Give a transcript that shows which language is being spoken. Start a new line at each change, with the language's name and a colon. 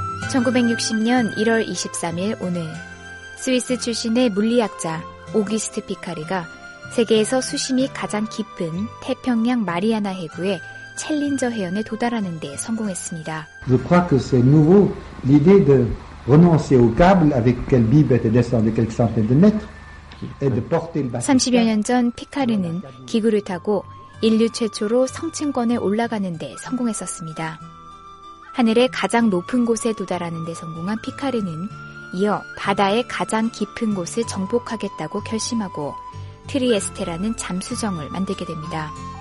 Korean: (1960년 1월 23일) 오늘 스위스 출신의 물리학자 오귀스트 피카리가 세계에서 수심이 가장 깊은 태평양 마리아나 해구에 챌린저 해연에 도달하는 데 성공했습니다.
French: Je crois que c'est nouveau l'idée de renoncer au câble avec lequel Bibb était descendu quelques centaines de mètres et de porter le bateau.
Korean: 30여 년 전 피카르는 기구를 타고 인류 최초로 성층권에 올라가는 데 성공했었습니다. 하늘의 가장 높은 곳에 도달하는 데 성공한 피카르는 이어 바다의 가장 깊은 곳을 정복하겠다고 결심하고 트리에스테라는 잠수정을 만들게 됩니다.